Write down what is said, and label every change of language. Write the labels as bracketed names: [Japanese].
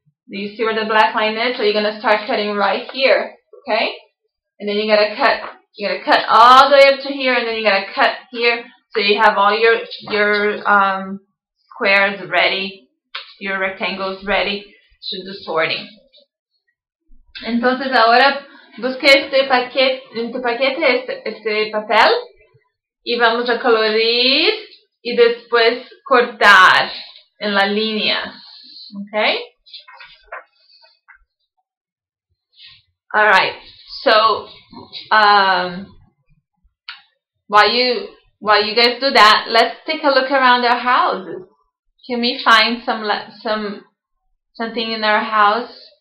[English] Do you see where the black line is? So you're going to start cutting right here, okay? And then you got to cut all the way up to here, and then you got to cut here, so you have all your squares ready, your rectangles ready to do sorting. [Spanish] Entonces ahora busqué este papel y vamos a colorir y después cortar en la línea. [English] Okay? Alright, so while you guys do that, let's take a look around our houses. Can we find something in our house